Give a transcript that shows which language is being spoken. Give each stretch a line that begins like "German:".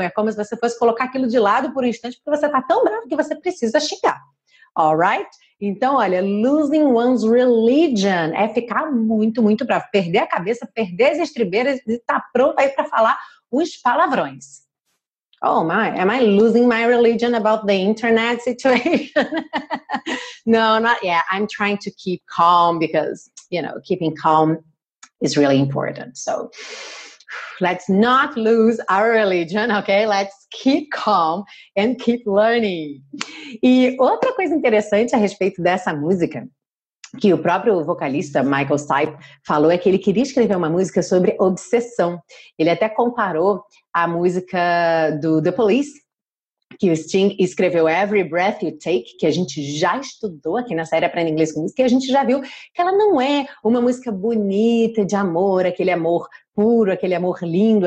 Portuguese: É como se você fosse colocar aquilo de lado por um instante, porque você está tão bravo que você precisa xingar.
English: All right?
Portuguese: Então, olha,
English: losing one's religion
Portuguese: é ficar muito, muito bravo. Perder a cabeça, perder as estribeiras e estar pronto aí para falar os palavrões.
English: Oh my, am I losing my religion about the internet situation? No, not yet. I'm trying to keep calm because, you know, keeping calm is really important. So let's not lose our religion, okay? Let's keep calm and keep learning.
Portuguese: E outra coisa interessante a respeito dessa música, que o próprio vocalista Michael Stipe falou, é que ele queria escrever uma música sobre obsessão. Ele até comparou a música do The Police, que o Sting escreveu, Every Breath You Take, que a gente já estudou aqui na série Aprenda Inglês com Música, e a gente já viu que ela não é uma música bonita de amor, aquele amor puro, aquele amor lindo.